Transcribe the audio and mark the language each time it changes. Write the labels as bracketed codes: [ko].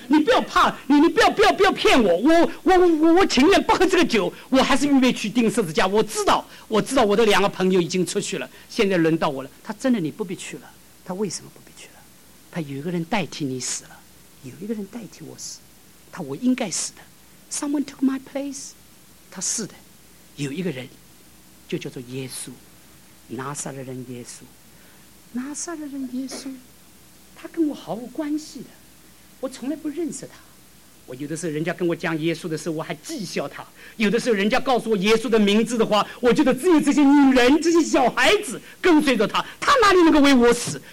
[zh] 你不要怕，你不要骗我，我情愿不喝这个酒，我还是预备去钉十字架。我知道，我知道我的两个朋友已经出去了，现在轮到我了。他真的，你不必去了。他为什么不必去了？他有一个人代替你死了，有一个人代替我死。他我应该死的 ， [en] someone took my place。 [zh] 他是的，有一个人，就叫做耶稣，拿撒勒人耶稣，拿撒勒人耶稣，他跟我毫无关系的，我从来不认识他。我有的时候人家跟我讲耶稣的时候，我还讥笑他；有的时候人家告诉我耶稣的名字的话，我觉得只有这些女人、这些小孩子跟随着他，他哪里能够为我死？